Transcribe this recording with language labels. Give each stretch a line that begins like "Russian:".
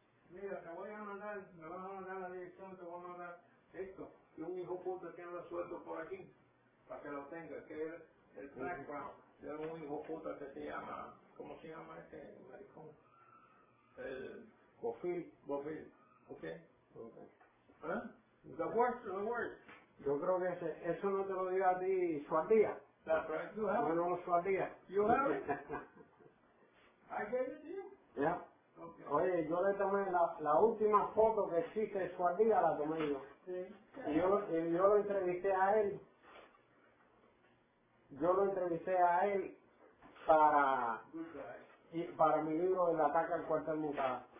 Spanish: Mira, te voy a mandar, me vas a mandar la dirección, te voy a mandar esto, y un hijo puta que anda suelto por aquí, para que lo tenga, que es el background de un hijo puta que se llama, ¿cómo se llama este maricón? El Bofil. Bofil. ¿Ok? Ok.
English: ¿Eh? The worst of the worst.
Spanish: Yo creo que ese, eso no te lo diga a ti, Suandía.
English: That's right. You have it.
Spanish: Yo no lo sabía.
English: You have it? I gave it to you? Yeah. Okay.
Spanish: Oye, yo le tomé la última foto que existe de Suardía, la tomé yo. Sí. Y yo lo entrevisté a él. Yo lo entrevisté a él para mi libro El ataque al cuartel mutado.